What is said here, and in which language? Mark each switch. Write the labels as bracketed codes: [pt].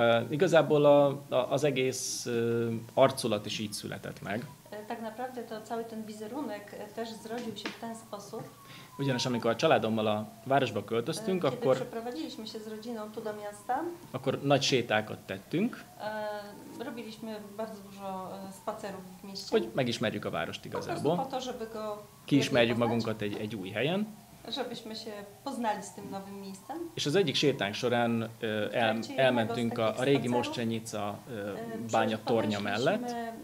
[hu] Igazából az egész arculat is így született meg. [pl] Tak naprawdę to cały ten wizerunek też zrodził się w ten sposób. [hu] Ugyanis amikor a családommal a városba költöztünk, akkor... [pl] Kiedy przeprowadziliśmy się z rodziną tu do miasta. [hu] Akkor nagy sétákat tettünk. [pl] Robiliśmy bardzo dużo spacerów w mieście. [hu] Hogy megismerjük a várost igazából. [pl] Po to, żeby go... [hu] Kiismerjük magunkat egy új helyen. [pl] Żebyśmy się poznali z tym nowym miejscem. [hu] És az egyik sétánk során elmentünk a régi Moszczenica bánya tornya mellett.